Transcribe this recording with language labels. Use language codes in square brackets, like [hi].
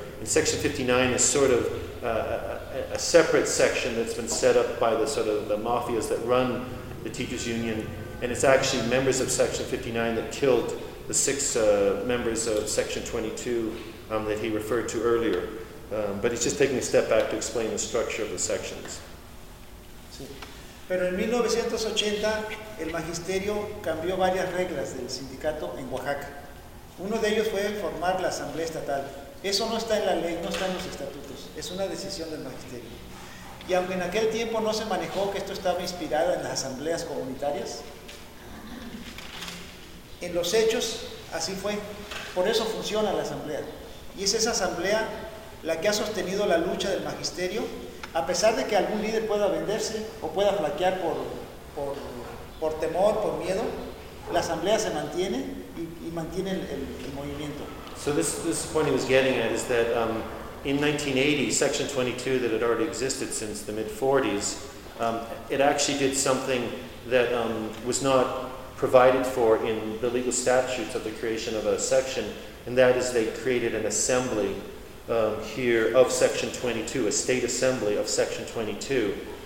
[en] And Section 59 is sort of a separate section that's been set up by the sort of the mafias that run the teachers' union. And it's actually members of Section 59 that killed the six members of Section 22 that he referred to earlier. But he's just taking a step back to explain the structure of the sections. [es] Pero en 1980, el magisterio cambió varias reglas del sindicato en Oaxaca. Uno de ellos fue formar la asamblea estatal. Eso no está en la ley, no está en los estatutos. Es una decisión del magisterio. Y aunque en aquel tiempo no se manejó que esto estaba inspirado en las asambleas comunitarias, en los hechos, así fue. Por eso funciona la asamblea. Y es esa asamblea la que ha sostenido la lucha del magisterio, a pesar de que algún líder pueda venderse o pueda flaquear por temor, por miedo, la asamblea se mantiene y mantiene el movimiento. [en] So this point he was getting at is that in 1980, Section 22 that had already existed since the mid-40s, it actually did something that was not provided for in the legal statutes of the creation of a section, and that is they created an assembly here of Section 22, a state assembly of Section 22.